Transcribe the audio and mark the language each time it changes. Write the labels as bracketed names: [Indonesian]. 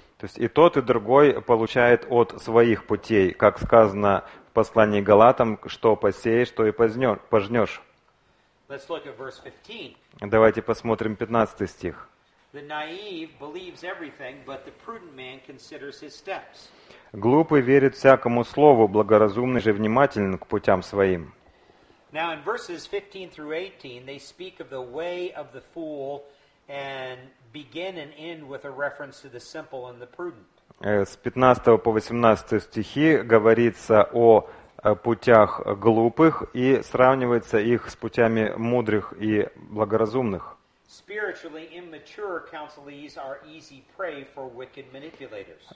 [Russian] То есть и тот, и другой получает от своих путей, как сказано в послании Галатам, что посеешь, то и пожнешь. [English] Let's look at verse 15. [Russian] Давайте посмотрим 15 стих. [English] The naive believes everything, but the prudent man considers his steps. [Russian] Глупый верит всякому слову, благоразумный же внимателен к путям своим. [English] Now in verses 15 through 18, they speak of the way of the fool and begin and end with a reference to the simple and the prudent. [Russian] С 15 по 18 стихи говорится о путях глупых и сравнивается их с путями мудрых и благоразумных. [English] Spiritually immature counselees are easy prey for wicked manipulators.